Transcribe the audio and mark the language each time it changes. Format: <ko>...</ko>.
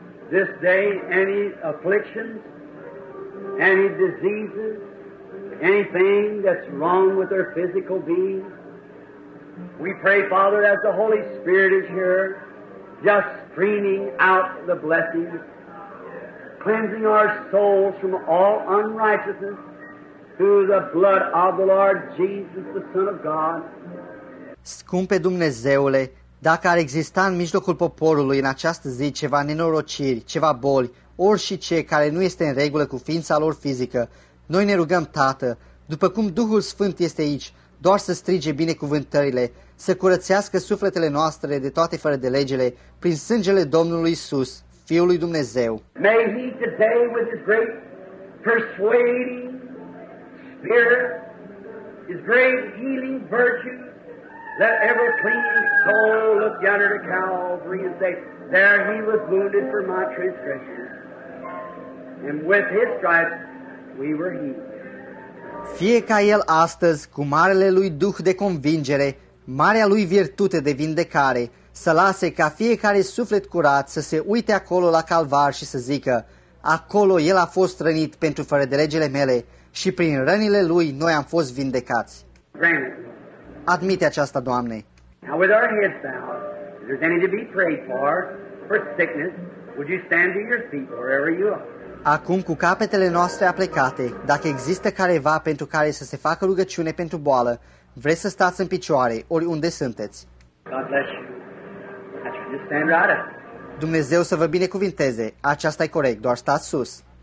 <en>This day, any afflictions, any diseases, anything that's wrong with their physical being, we pray, Father, as the Holy Spirit is here, just streaming out the blessings, cleansing our souls from all unrighteousness through the blood of the Lord Jesus, the Son of God.</en> <ro>Scumpe Dumnezeule, dacă ar exista în mijlocul poporului în această zi ceva nenorociri, ceva boli, orice care nu este în regulă cu ființa lor fizică, noi ne rugăm, Tată, după cum Duhul Sfânt este aici, doar să strige binecuvântările, să curățească sufletele noastre de toate fără de legile, prin sângele Domnului Iisus, Fiul lui Dumnezeu.</ro> <en>May He today with His great persuading spirit, His great healing virtue, let every clean soul look yonder to Calvary and say, there He was wounded for my transgressions, and with His stripes we were healed.</en> <ro>Fie ca El astăzi, cu marele Lui Duh de convingere, marea Lui virtute de vindecare, să lase ca fiecare suflet curat să se uite acolo la Calvar și să zică, acolo El a fost rănit pentru fărădelegele mele și prin rănile Lui noi am fost vindecați.</ro> <en>Granted.</en> <ro>Admite aceasta, Doamne.</ro> <en>Now with our heads bowed, if there's any to be prayed for sickness, would you stand to your feet wherever you are?</en> <ro>Acum cu capetele noastre aplecate, dacă există careva pentru care să se facă rugăciune pentru boală, vreți să stați în picioare oriunde sunteți.</ro> <en>God bless you. Just stand right up.</en> <ro>Dumnezeu să vă binecuvinteze. Aceasta e corect, doar stați sus.</ro>